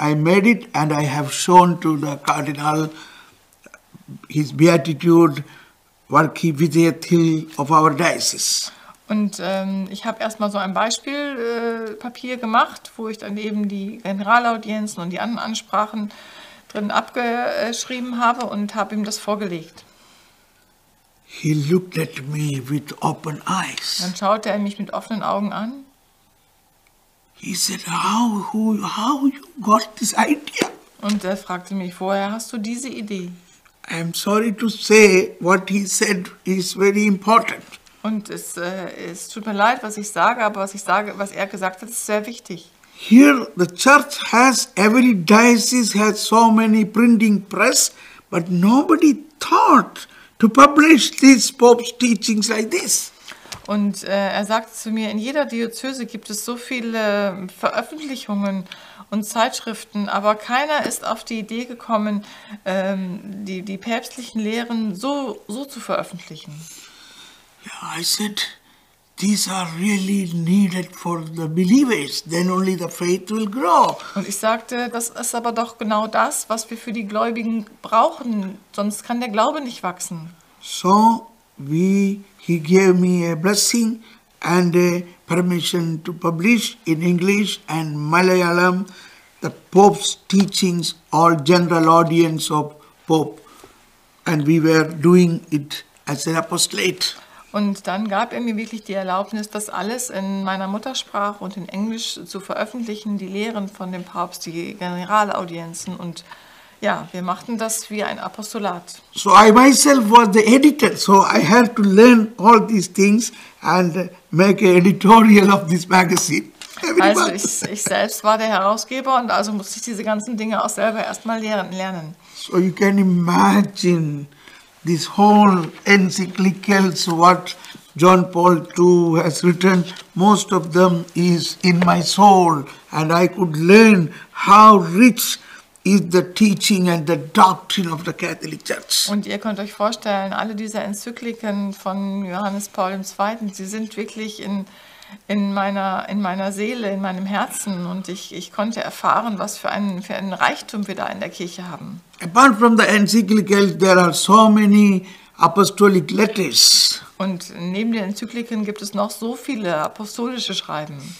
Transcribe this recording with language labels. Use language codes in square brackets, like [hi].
[en] I made it and I have shown to the Cardinal his beatitude, Varchi Vidyathil of our diocese. [de] Und ich habe erstmal so ein Beispielpapier gemacht, wo ich dann eben die Generalaudienzen und die anderen Ansprachen drin abgeschrieben habe und habe ihm das vorgelegt. [en] He looked at me with open eyes. [de] Dann schaute er mich mit offenen Augen an. [en] He said, how you got this idea? [de] Und er fragte mich, woher hast du diese Idee? [en] I am sorry to say, what he said is very important. [de] Und es tut mir leid, was ich sage, aber was ich sage, was er gesagt hat, ist sehr wichtig. [en] Here the church has, every diocese has so many printing press, but nobody thought to publish these Pope's teachings like this. [de] Und er sagte zu mir, in jeder Diözese gibt es so viele Veröffentlichungen und Zeitschriften, aber keiner ist auf die Idee gekommen, die päpstlichen Lehren so zu veröffentlichen. [en] Yeah, I said, these are really needed for the believers, then only the faith will grow. [de] Und ich sagte, das ist aber doch genau das, was wir für die Gläubigen brauchen, sonst kann der Glaube nicht wachsen. [en] So, he gave me a blessing and a permission to publish in English and Malayalam the Pope's teachings, all general audience of Pope, and we were doing it as an apostolate. [de] Und dann gab er mir wirklich die Erlaubnis, das alles in meiner Muttersprache und in Englisch zu veröffentlichen, die Lehren von dem Papst, die Generalaudienzen. Und ja, wir machten das wie ein Apostolat. [en] So I myself was the editor, so I had to learn all these things and make an editorial of this magazine. [de] Also ich selbst war der Herausgeber und also musste ich diese ganzen Dinge auch selber erstmal lernen. [en] So you can imagine this whole encyclicals, what John Paul II has written, most of them is in my soul, and I could learn how rich is the teaching and the doctrine of the Catholic Church. [de] Und ihr könnt euch vorstellen, alle diese Enzykliken von Johannes Paul II, sie sind wirklich in meiner Seele, in meinem Herzen, und ich konnte erfahren, was für einen Reichtum wir da in der Kirche haben. [en] Apart from the encyclicals, there are so many apostolic letters. [de] Und neben den Enzykliken gibt es noch so viele apostolische Schreiben.